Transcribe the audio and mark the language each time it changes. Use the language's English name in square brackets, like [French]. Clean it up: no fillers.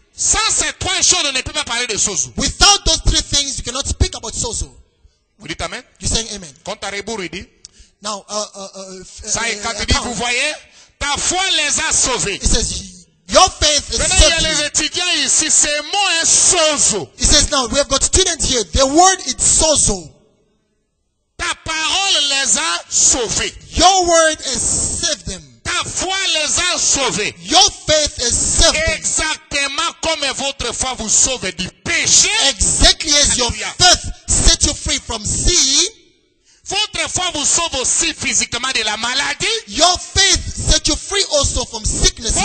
[French] Sans ces trois choses, on ne peut pas parler de sozo. [English] Without those three things, you cannot speak about sozo. [French] Vous dites amen? [English] You saying amen? [French] Quand t'as rebours, il dit. [English] Now, [French] quand il dit, vous voyez, ta foi les a sauvés. [English] It says, your faith is saved. [French] Il y a les étudiants ici, ces mots sont sozo. [English] It says, now we have got students here. The word is sozo. [French] Ta parole les a sauvés. [English] Your word has saved them. [French] Ta foi les a sauvés. [English] Your faith has saved them. [French] Exactement comme votre foi vous sauve du péché. [English] Exactly as your faith set you free from sin. [French] Votre foi vous sauve aussi physiquement de la maladie. [English] Your faith set you free also from sickness.